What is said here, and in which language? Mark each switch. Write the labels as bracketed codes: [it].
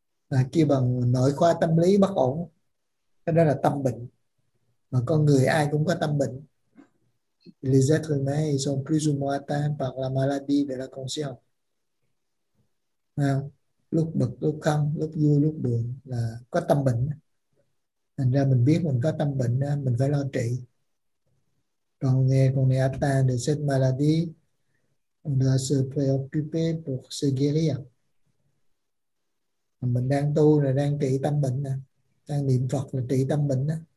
[vi] là kêu bằng nội khoa tâm lý bất ổn, cái đó là tâm bệnh, mà con người ai cũng có tâm bệnh. [fr] Les êtres humains sont plus ou moins atteints par la maladie de la conscience, [vi] lúc bực lúc không, lúc vui lúc buồn là có tâm bệnh. Thành ra mình biết mình có tâm bệnh, mình phải lo trị. Còn nghe con này [fr] atteint de cette maladie, on doit se préoccuper pour se guérir. [vi] Mình đang tu là đang trị tâm bệnh, đang niệm Phật là trị tâm bệnh.